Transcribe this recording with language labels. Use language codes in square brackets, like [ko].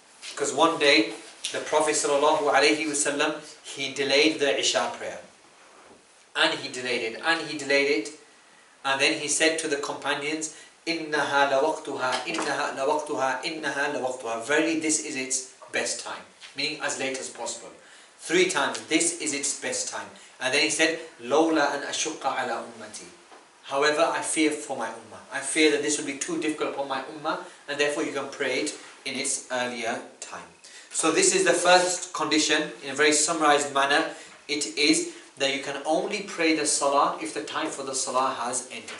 [en] Because one day, the Prophet sallallahu alaihi wasallam, he delayed the Isha prayer. And he delayed it. And then he said to the companions, [ar] إِنَّهَا لَوَقْتُهَا إِنَّهَا لَوَقْتُهَا إِنَّهَا لَوَقْتُهَا. [en] Verily, this is its best time. Meaning, as late as possible. Three times, this is its best time. And then he said, [ar] لَوْلَا أَنْ أَشُقَّ عَلَىٰ أُمَّتِي. [en] However, I fear for my ummah. I fear that this will be too difficult upon my ummah, and therefore you can pray it in its earlier time. So this is the first condition in a very summarized manner. It is that you can only pray the salah if the time for the salah has entered.